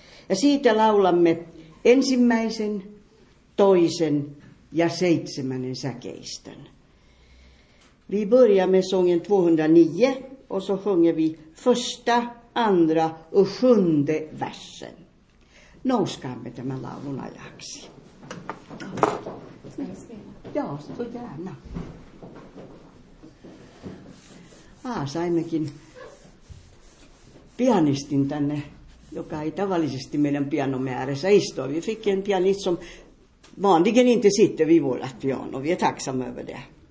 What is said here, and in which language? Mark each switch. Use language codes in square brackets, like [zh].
[fi] Ja siitä laulamme ensimmäisen, toisen ja seitsemännen säkeistön. [sv] Vi börjar med sången 209 och så sjunger vi första, andra och sjunde versen. [fi] Nouskaamme tämän laulun ajaksi. [sv] Ja, så gärna. [fi] Saimmekin pianistin tänne, joka ei tavallisesti meidän pianomme ääressä istu. [sv] Vi fick en pianist som vanligen inte sitter vid vårat piano. Vi är tacksamma över det.